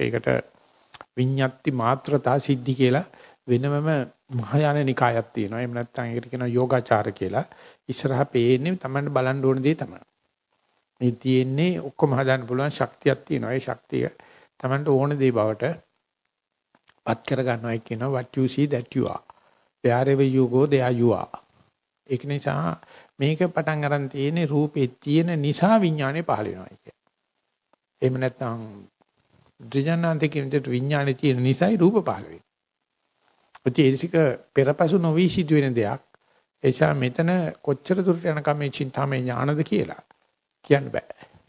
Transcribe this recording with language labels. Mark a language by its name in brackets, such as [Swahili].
[Sinhala] ඒකට විඤ්ඤාති මාත්‍රතා සිද්ධි කියලා වෙනමම මහායාන නිකායක් තියෙනවා. එහෙම නැත්නම් ඒකට කියනවා යෝගාචාර කියලා. ඉස්සරහ පේන්නේ තමයි බලන්න ඕන දේ තමයි. මේ තියෙන්නේ ඔක්කොම හදාන්න පුළුවන් ශක්තියක් තියෙනවා. ඒ ශක්තිය තමයි ඕන දේ බවට පත් කරගන්නවයි කියනවා. [English] What you see that you are. Wherever you go there you are. [Sinhala] ඒක නිසා මේක පටන් ගන්න තියෙන්නේ රූපේ තියෙන නිසා විඥානේ පහළ වෙනවා කියන්නේ. එහෙම නැත්නම් ත්‍රිඥාන්ති කියනට විඥානේ තියෙන නිසායි රූප පහළ වෙන්නේ. ප්‍රතිසික පෙරපසු නොවී සිටින දෙයක්. එيشා මෙතන කොච්චර දුරට යනකම මේ චින්තාවේ ඥානද කියලා කියන්න බෑ.